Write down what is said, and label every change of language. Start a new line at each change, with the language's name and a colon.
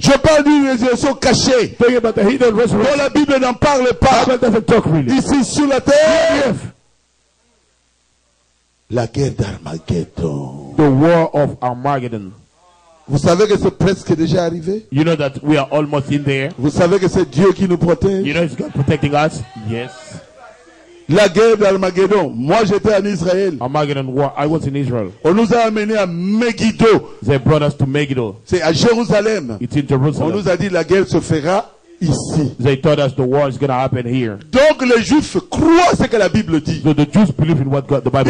French: Je parle d'une résurrection cachée.
English: Talking about the hidden resurrection.
French: Bon, la Bible n'en parle pas.
English: The Bible doesn't talk really.
French: Ici sur la terre.
English: Here on the earth.
French: La guerre d'Armageddon.
English: The war of Armageddon.
French: Vous savez que c'est presque déjà arrivé?
English: You know that we are almost in there.
French: Vous savez que c'est Dieu qui nous protège?
English: You know it's God protecting us? Yes.
French: La guerre d'Armageddon. Moi, j'étais en Israël.
English: Armageddon war. I was in Israel.
French: On nous a amenés à Megiddo.
English: They brought us to Megiddo.
French: C'est à Jérusalem.
English: It's in Jerusalem.
French: On nous a dit la guerre se fera ici.
English: They thought that the war is going to happen here.
French: Donc les Juifs croient ce que la Bible dit.
English: So the Jews believe in what God, the Bible